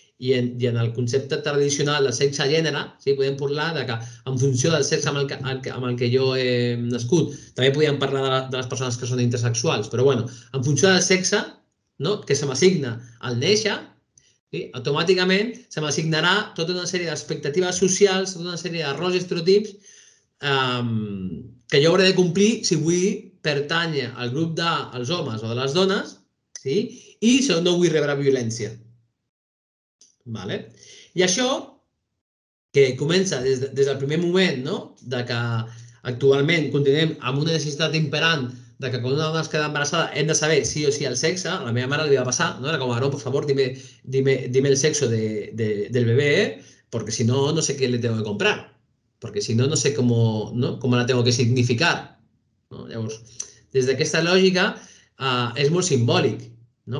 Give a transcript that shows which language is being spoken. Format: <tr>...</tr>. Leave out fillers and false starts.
<ca>I en el concepte tradicional de sexe-gènere, sí, podem parlar de que en funció del sexe amb el que jo he nascut, també podíem parlar de les persones que són intersexuals, però bueno, en funció del sexe, no, que se m'assigna al néixer, sí, automàticament se m'assignarà tota una sèrie d'expectatives socials, tota una sèrie de rols i estereotips que jo hauré de complir si vull pertànyer al grup dels homes o de les dones, sí, i si no vull rebre violència. Vale. I això que comença des del primer moment, no? De que actualment continuem amb una necessitat imperant de que quan una dona es queda embarassada hem de saber sí o sí el sexe. A la meva mare li va passar, no?</ca> <es>Era com, no, por favor, dime el sexo del bebé, porque si no, no sé qué le tengo que comprar. Porque si no, no sé cómo, ¿no? Cómo la tengo que significar, ¿no?</es> <ca>Llavors, des d'aquesta lògica és molt simbòlic, no?</ca>